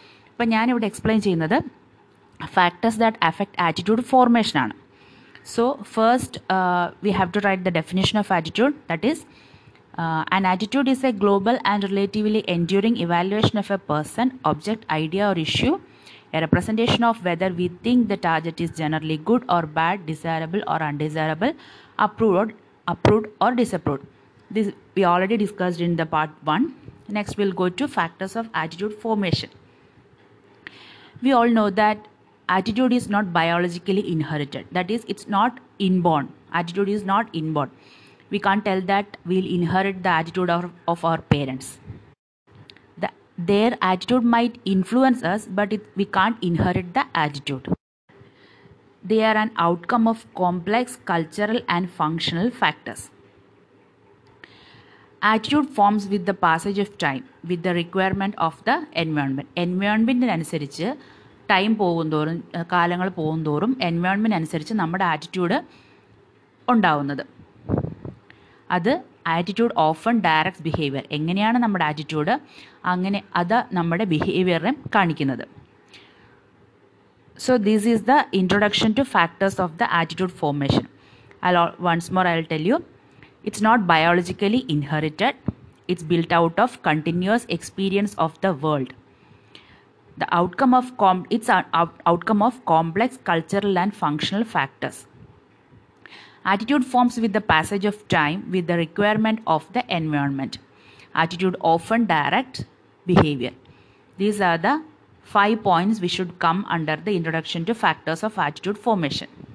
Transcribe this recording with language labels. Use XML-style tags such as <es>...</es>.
<ml>അപ്പം ഞാനിവിടെ എക്സ്പ്ലെയിൻ ചെയ്യുന്നത്</ml> <en>factors that affect attitude formation</en> <ml>ആണ്.</ml> <en>So first we have to write the definition of attitude. That is an attitude is a global and relatively enduring evaluation of a person object idea or issue. A representation of whether we think the target is generally good or bad, desirable or undesirable, approved or disapproved. This we already discussed in the part 1. Next we'll go to factors of attitude formation. We all know that attitude is not biologically inherited. That is, it's not inborn. Attitude is not inborn. We can't tell that we'll inherit the attitude of our parents. Their attitude might influence us, but we can't inherit the attitude. They are an outcome of complex cultural and functional factors. Attitude forms with the passage of time, with the requirement of the environment.</en> <ml>Environment അനുസരിച്ച് time പോകുന്തോറും കാലങ്ങൾ പോകുന്തോറും environment അനുസരിച്ച് നമ്മുടെ attitude ഉണ്ടാവുന്നത്. അത്</ml> <en>Attitude often directs behaviour.</en> <ml>എങ്ങനെയാണ് നമ്മുടെ ആറ്റിറ്റ്യൂഡ്, അങ്ങനെ അത് നമ്മുടെ ബിഹേവിയറിനെ കാണിക്കുന്നത്.</ml> <en>So these is the introduction to factors of the attitude formation. Once more I tell you, it's not biologically inherited. It's build out of continuous experience of the world. The outcome of outcome of complex cultural and functional factors. Attitude forms with the passage of time, with the requirement of the environment. Attitude often directs behavior. These are the 5 points we should come under the introduction to factors of attitude formation.</en>